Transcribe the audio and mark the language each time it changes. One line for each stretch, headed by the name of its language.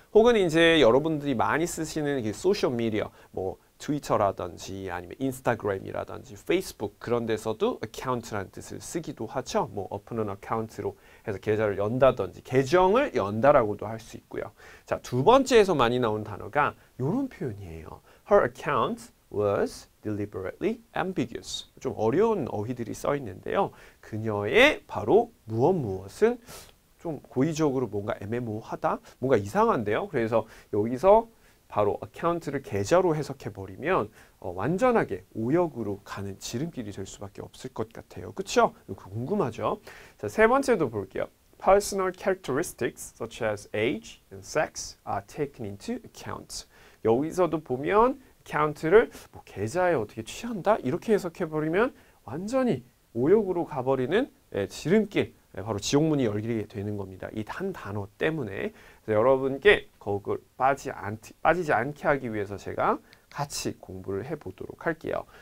Korean: 혹은 이제 여러분들이 많이 쓰시는 이 소셜미디어, 뭐 트위터라든지 아니면 인스타그램이라든지 페이스북 그런 데서도 account라는 뜻을 쓰기도 하죠. 뭐
English: open an account
Korean: 로 해서 계좌를 연다든지 계정을 연다라고도 할수 있고요. 자, 두 번째에서 많이 나온 단어가 이런 표현이에요.
English: Her account was deliberately ambiguous.
Korean: 좀 어려운 어휘들이 써 있는데요. 그녀의 바로 무엇 무엇은 좀 고의적으로 뭔가 애매모호하다, 뭔가 이상한데요. 그래서 여기서 바로 account를 계좌로 해석해 버리면 완전하게 오역으로 가는 지름길이 될 수밖에 없을 것 같아요. 그렇죠? 궁금하죠? 자, 세 번째도 볼게요.
English: Personal characteristics such as age and sex are taken into account.
Korean: 여기서도 보면 count를 뭐 계좌에 어떻게 취한다? 이렇게 해석해버리면 완전히 오역으로 가버리는 지름길, 바로 지옥문이 열리게 되는 겁니다. 이한 단어 때문에. 그래서 여러분께 거기 빠지지 않게 하기 위해서 제가 같이 공부를 해보도록 할게요.